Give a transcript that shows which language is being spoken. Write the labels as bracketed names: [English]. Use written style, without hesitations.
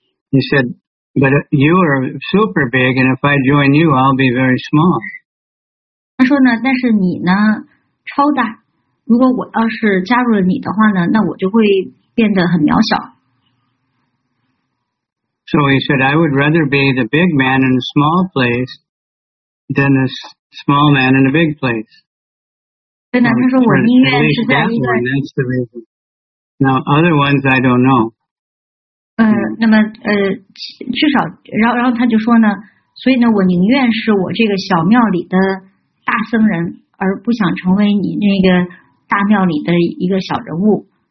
[English] He said, but you are super big, and if I join you, I'll be very small. [Chinese] 他说呢，但是你呢超大，如果我要是加入了你的话呢，那我就会变得很渺小。 [English] So he said, I would rather be the big man in a small place than a small man in a big place. [Chinese] 对呢，他说我宁愿是在一个。 [English] That's the reason. Now, other ones I don't know. [Chinese] 那么至少然后他就说呢，所以呢我宁愿是我这个小庙里的大僧人，而不想成为你那个大庙里的一个小人物。